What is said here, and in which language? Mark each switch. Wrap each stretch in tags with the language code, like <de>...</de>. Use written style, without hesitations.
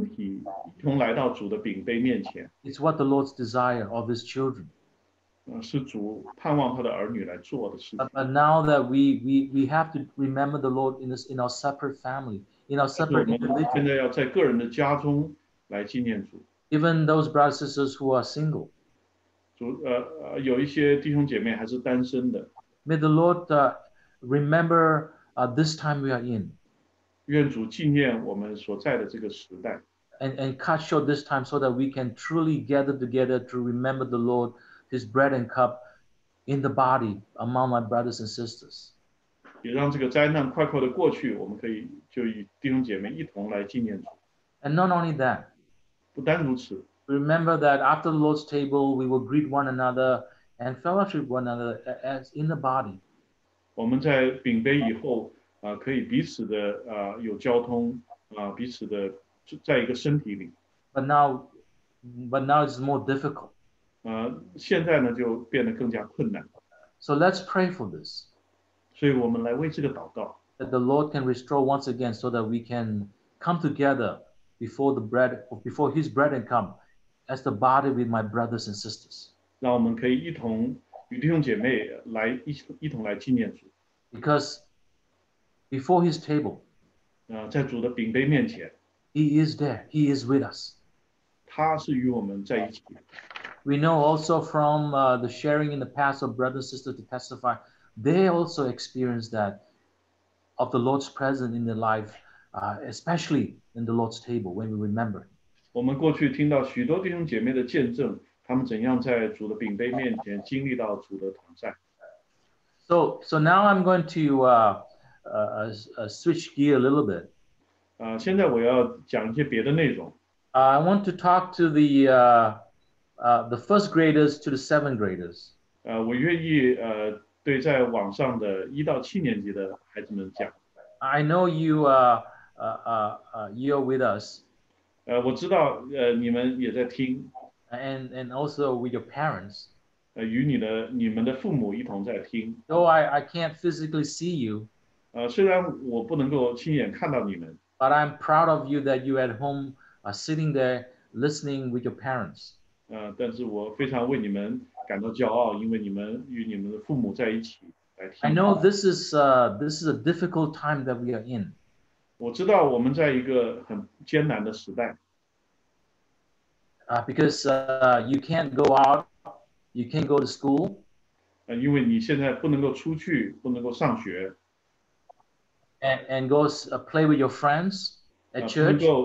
<zh>因为作为一个身体一同来到主的饼杯面前,</zh> <en>it's what the Lord's desire of his children.</en> <zh>是主盼望他的儿女来做的事情。</zh> <en>But now that we have to remember the Lord in this, in our separate family, in our separate individual.</en> <zh>现在要在个人的家中来纪念主。</zh> <en>Even those brothers and sisters who are single.</en> <zh>有一些弟兄姐妹还是单身的。</zh> <en>May the Lord remember this time we are in.</en> <zh>愿主纪念我们所在的这个时代。</zh> <en>And cut short this time so that we can truly gather together to remember the Lord, his bread and cup in the body among my brothers and sisters.</en> <zh>也让这个灾难快快地过去, 我们可以就与弟兄姐妹一同来纪念主。</zh> <en>And not only that,</en> <zh>不单如此,</zh> <en>remember that after the Lord's table, we will greet one another and fellowship one another as in the body.</en> <zh>我们在饼杯以后, 可以彼此的, 有交通, 彼此的在一个身体里。</zh> <en>But now it's more difficult.</en> <zh>现在呢, 就变得更加困难。</zh> <en>So let's pray for this.</en> <zh>所以我们来为这个祷告。</zh> <en>That the Lord can restore once again so that we can come together before the bread, before his bread and come as the body with my brothers and sisters.</en> <zh>让我们可以一同与弟兄姐妹来纪念主。</zh> <en>Because before his table,</en> <zh>在主的饼杯面前,</zh> <en>he is there, he is with us.</en> <zh>他是与我们在一起。</zh> <en>We know also from the sharing in the past of brothers and sisters to testify, they also experienced that of the Lord's presence in their life, especially in the Lord's table when we remember.</en> <zh>我们过去听到许多弟兄姐妹的见证, 他们怎样在主的饼杯面前经历到主的同在。</zh> <en>So now I'm going to switch gear a little bit.</en> <zh>现在我要讲一些别的内容。</zh> <en>I want to talk to the first graders to the seventh graders.</en> <zh>我愿意对在网上的一到七年级的孩子们讲。</zh> <en>I know you're with us.</en> <zh>我知道你们也在听。</zh> <en>And also with your parents.</en> <zh>与你们的父母一同在听。</zh> <en>Though I can't physically see you.</en> <zh>虽然我不能够亲眼看到你们。</zh> <en>But I'm proud of you that you're at home sitting there listening with your parents.</en> <zh>但是我非常为你们感到骄傲, 因为你们与你们的父母在一起来听。</zh> <en>I know this is a difficult time that we are in.</en> <zh>我知道我们在一个很艰难的时代。</zh> <en>Because you can't go out, you can't go to school.</en> <zh>因为你现在不能够出去, 不能够上学。</zh> <en>And go play with your friends at church.</en>